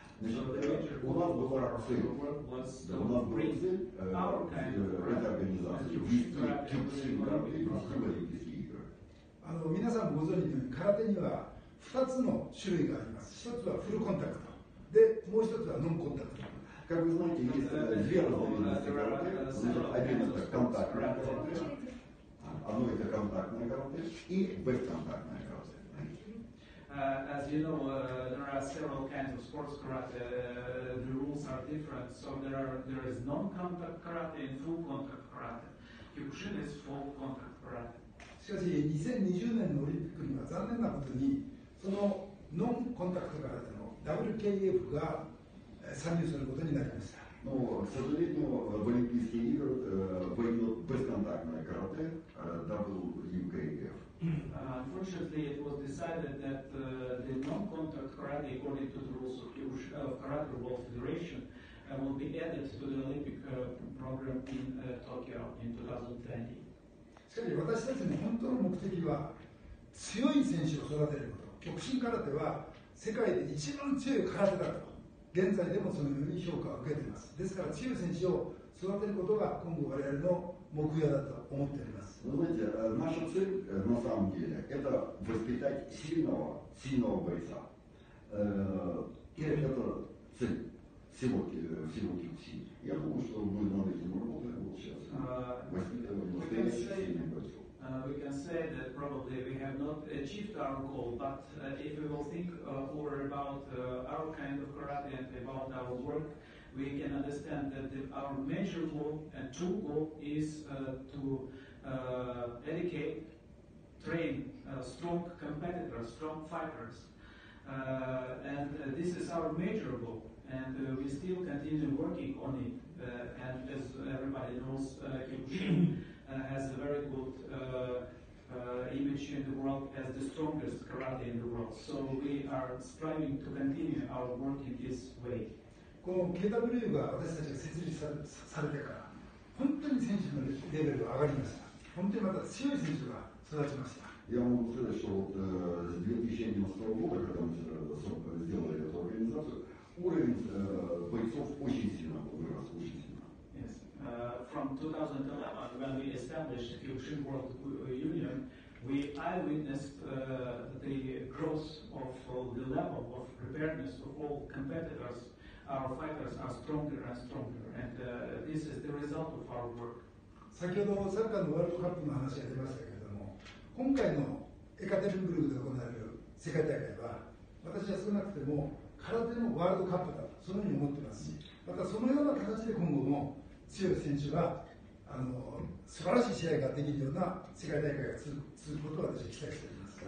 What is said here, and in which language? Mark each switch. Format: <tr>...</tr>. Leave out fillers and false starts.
<ru>У нас была цель, у нас была цель этой организации ввести кюкшин карате в Олимпийские игры.</ru> <ja>皆さんご存知のように、空手には2つの種類があります。 1つはフルコンタクト。で、もう1つはノンコンタクト。</ja> <ru>Как вы знаете, есть две разновидности карате. Один это контактная карате, одно это контактная карате и бесконтактная карате.</ru> <en>As you know, there are several kinds of sports karate. The rules are different. So there is non-contact karate and full contact karate. Kyokushin is full contact karate.</en> <ja>しかし、2020年のオリンピックには残念なことに、その non-contact karate の WKF が参入することになりました。</ja> <ru>Но, к сожалению, в Олимпийские игры войдет бесконтактное карате WKF.</ru> <en>Unfortunately, it was decided that the non-contact karate, according to the rules of Karate World Federation, will be added to the Olympic program in Tokyo in 2020.</en> <ja>しかし、私たちの本当の目的は強い選手を育てること。極真空手は世界で一番強い空手だと。現在でもそのように評価を受けています。ですから強い選手を育てることが今後我々の目標だと思っております。</ja> <ru>Вы знаете, наша цель на самом деле это воспитать сильного бойца. Это цель всего кикбоксинга. Я думаю, что мы над этим работаем вот сейчас.</ru> <en>We can say that probably we have not achieved our goal, but if we will think more about our kind of karate and about our work, we can understand that our major goal and true goal is to educate, train strong competitors, strong fighters. And this is our major goal, and we still continue working on it. And as everybody knows, Kyokushin has a very good image in the world as the strongest karate in the world. So we are striving to continue our work in this way.</en> <ja>この KWU が私たちが設立されてから本当に選手のレベルが上がりました。本当にまた強い選手が育ちました。</ja> <ru>Я могу сказать, что вот с 2019 года, когда мы сделали эту организацию, уровень бойцов очень сильно вырос, очень сильно.</ru> <en>Yes. From 2011, when we established Kyokushin World Union, we eyewitnessed the growth of the level of preparedness of all competitors. Our fighters are stronger and stronger, and this is the result of our work.</en> <ja>先ほどサッカーのワールドカップの話が出ましたけれども、今回のエカテリンブルクで行われる世界大会は、私は少なくても空手のワールドカップだとそのように思ってますし、またそのような形で今後も強い選手が素晴らしい試合ができるような世界大会が続くことを私は期待しています。</ja>